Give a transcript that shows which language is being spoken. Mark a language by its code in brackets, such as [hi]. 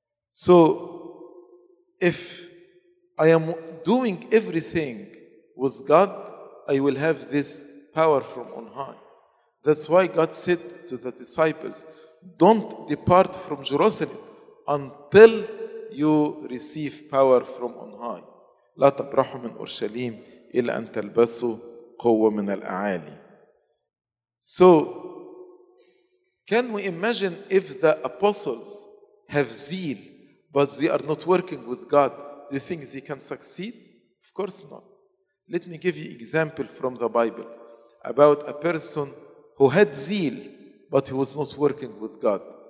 [en] So, if I am doing everything with God, I will have this power from on high. That's why God said to the disciples, don't depart from Jerusalem until you receive power from on high. [ar] لا تبرحوا من أورشليم إلى أن تلبسوا قوة من الأعالي. [en] So, can we imagine if the apostles have zeal, but they are not working with God? Do you think they can succeed? Of course not. Let me give you an example from the Bible about a person who had zeal, but he was not working with God.